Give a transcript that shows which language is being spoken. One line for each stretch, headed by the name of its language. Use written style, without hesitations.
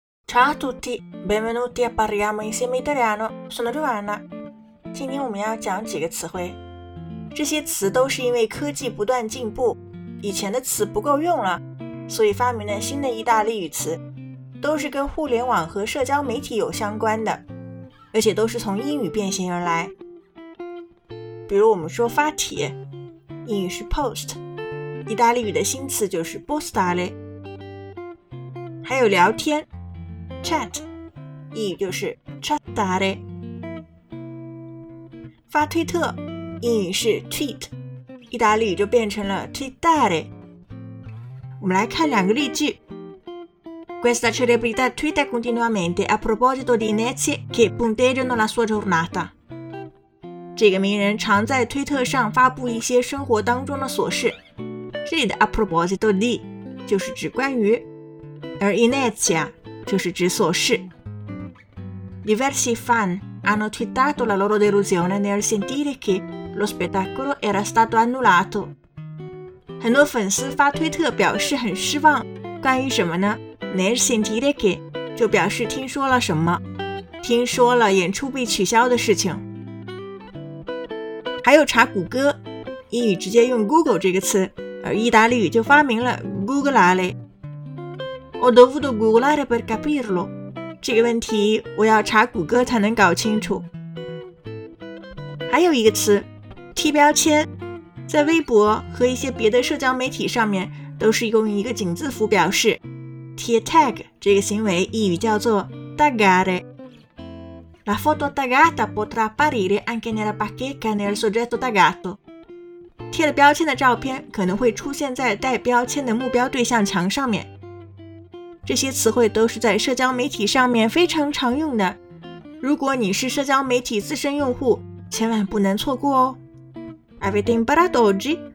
Italian: Ciao a tutti, benvenuti a Parliamo Insieme Italiano, sono Giovanna.
Chinese: 今天我们要讲几个词汇。这些词都是因为科技不断进步，以前的词不够用了，所以发明了新的意大利语词，都是跟互联网和社交媒体有相关的，而且都是从英语变形而来。比如我们说发帖，英语是 post， 意大利语的新词就是 postare。还有聊天chat， 意语就是 chattare。发推特，英语是 tweet， 意大利语就变成了 twittare。我们来看两个例句。
Italian: Questa celebrità twitta continuamente a proposito di inezie che punteggiano la sua giornata。
Chinese: 这个名人常在推特上发布一些生活当中的琐事。这里的
Italian: a proposito di
Chinese: 就是指关于，而 inezie就是指琐事。
Italian: Diversi fan hanno twittato la loro delusione nel sentire che lo spettacolo era stato annullato。
Chinese: 很多粉丝发推特表示很失望，关于什么呢？
Italian: Nel sentire che
Chinese: 就表示听说了什么，听说了演出被取消的事情。还有查谷歌，英语直接用 Google 这个词，而意大利语就发明了 Googleare。
Italian: Ho dovuto googlare per capirlo。
Chinese: 这个问题我要查谷歌才能搞清楚。还有一个词，贴标签，在微博和一些别的社交媒体上面都是用一个井字符表示。贴 tag 这个行为意语叫做 taggare。
Italian: La foto taggata potrà apparire anche nella bacheca nel soggetto taggato。
Chinese: 贴了标签的照片可能会出现在带标签的目标对象墙上面。这些词汇都是在社交媒体上面非常常用的，如果你是社交媒体资深用户，千万不能错过哦。
Italian: Avete imparato oggi?